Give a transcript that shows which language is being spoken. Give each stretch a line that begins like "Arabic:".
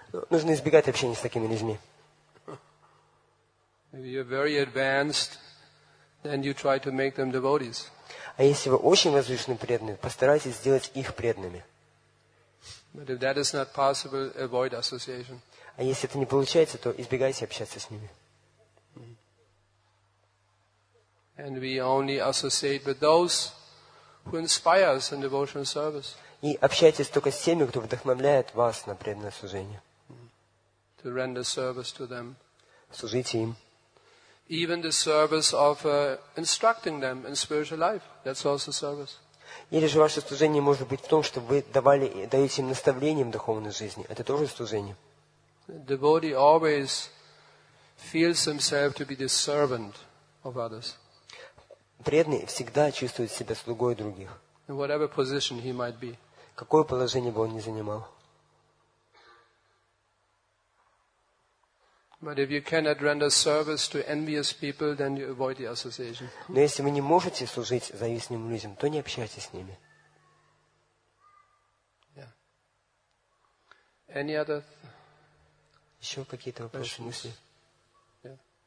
Russian: Нужно избегать общения с такими людьми.
English: If you're very advanced, then you try to make them devotees.
Russian: А если вы очень возвышенные преданные, постарайтесь сделать их преданными.
English: But if that is not possible, avoid association.
Russian: А если это не получается, то избегайте общаться с ними.
English: And we only associate with those who inspire us in devotional service.
Russian: И общайтесь только с теми, кто вдохновляет вас на преданное служение.
English: To render service to them.
Russian: Служите им.
English: Even the service of instructing them in spiritual life. That's also service.
Russian: Или же ваше служение может быть в том, что вы даете им наставление в духовной жизни. Это тоже служение.
English: Devotee always feels himself to be the servant of others.
Russian: Преданный всегда чувствует себя слугой других.
English: In whatever position he might be.
Russian: Какое положение бы он ни занимал.
English: But if you cannot render service to envious people, then you avoid the association.
Russian: Но если вы не можете служить завистливым людям, то не общайтесь с ними.
English: Yeah. Any other?
Russian: Еще какие-то вопросы, questions? Мысли?
English: Yeah.